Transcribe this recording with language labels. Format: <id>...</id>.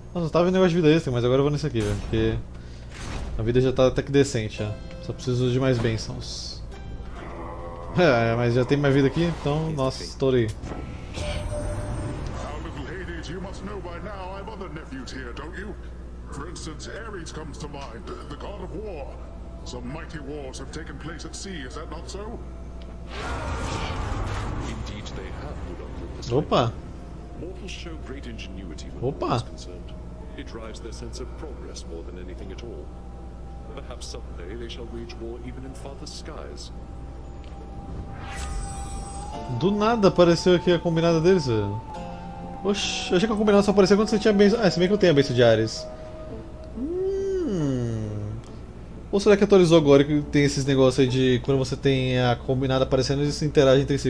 <pt>Tava vendo negócio de vida extra, mas agora eu vou nesse aqui, velho, porque a vida já tá até que decente, ó. Só preciso de mais bênçãos. É, mas já tem mais vida aqui, então, nossa, estourei.</pt> <en>Our little lady, you must know by now I have other nephews here, don't you? For instance, Ares comes to mind, the god of war. Some mighty wars have taken place at sea, is that not so? Indeed they have, good uncle. Opa! Mortals show great ingenuity.</en> <pt>Opa!</pt> <en>It drives their sense of progress more than anything at all. Perhaps someday they shall wage war even in farther skies.</en> <pt>Do nada apareceu aqui a combinada deles, velho. Oxi, achei que a combinada só apareceu quando você tinha benção. Ah, se bem que eu tenho a benção de Ares. Ou será que atualizou agora que tem esses negócios aí de quando você tem a combinada aparecendo, eles interagem entre si?</pt>